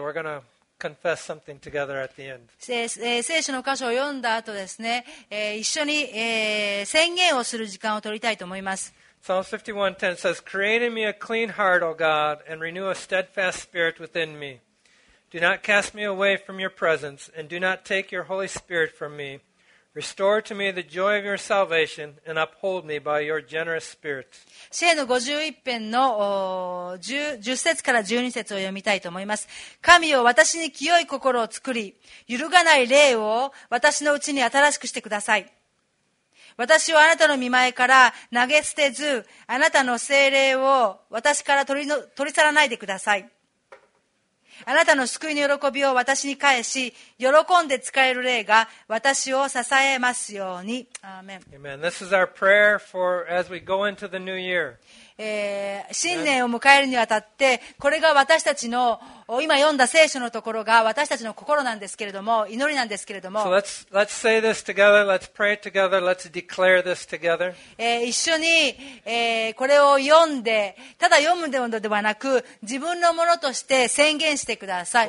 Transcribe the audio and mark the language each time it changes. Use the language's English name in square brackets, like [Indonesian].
[English] We're gonna confess something together at the end. [Japanese] 聖書の箇所を読んだ後ですね、一緒に、宣言をする時間を取りたいと思います。 [English] Psalm 51:10 says, Create in me a clean heart, O God, and renew a steadfast spirit within me. Do not cast me away from your presence, and do not take your Holy Spirit from me. Restore to me the joy of your salvation, and uphold me by your generous spirit. [Japanese] 詩編の51編の 10節から12節を読みたいと思います。神よ、私に清い心を作り、揺るがない霊を私のうちに新しくしてください。私をあなたの御前から投げ捨てず、あなたの聖霊を私から取り去らないでください。あなたの救いの喜びを私に返し、喜んで使える霊が私を支えますように。アーメン。 [English] Amen. This is our prayer for as we go into the new year. [Japanese] 新年を迎えるにあたって、これが私たちの、今読んだ聖書のところが私たちの心なんですけれども、祈りなんですけれども。 [English] So let's say this together. Let's pray together. Let's declare this together. [Japanese] 一緒に、これを読んで、ただ読むのではなく、自分のものとして宣言してください。